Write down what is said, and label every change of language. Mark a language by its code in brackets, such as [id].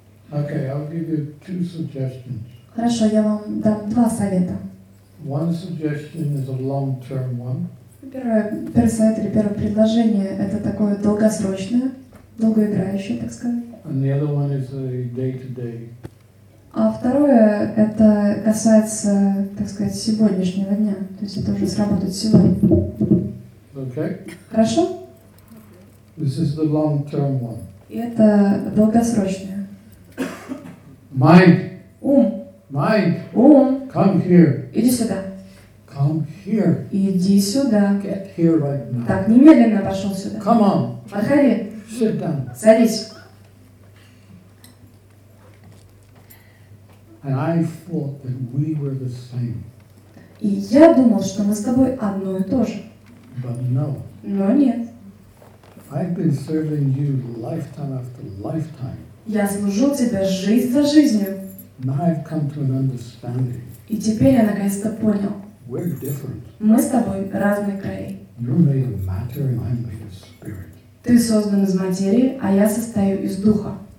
[en] Okay, I'll give you two suggestions. [ru] Хорошо, я вам дам два совета. [en] One suggestion is a long-term one. [ru] Первый совет или первое предложение – это такое долгосрочное, долгоиграющее, так сказать. [en] And the other one is a day-to-day. [ru] А второе, это касается, так сказать, сегодняшнего дня. То есть это уже сработает сегодня. [en] Okay. [ru] Хорошо? [en] This is the long-term one. [ru] И это долгосрочное. [en] Mind. [ru] Ум. [en] Mind. [ru] Ум. [en] Come here. [ru] Иди сюда. [en] Come here. [ru] Иди сюда. [en] Get here right now. [ru] Так, немедленно пошел сюда. [en] Come on. [ru] Подходи. [en] Sit down. [ru] Садись. [en] And I thought that we were the same. [ru] И я думал, что мы с тобой одно и то же. [en] But no. [ru] Но нет. [en] I've been serving you lifetime after lifetime. [ru] Я служил тебе жизнь за жизнью. [en] Now I've come to an understanding. [ru] И теперь я наконец-то понял. [en] We're different. [ru] Мы с тобой разные краи. [en] You're made of matter and I'm made of spirit. [ru] Ты создан из материи, а я состою из духа.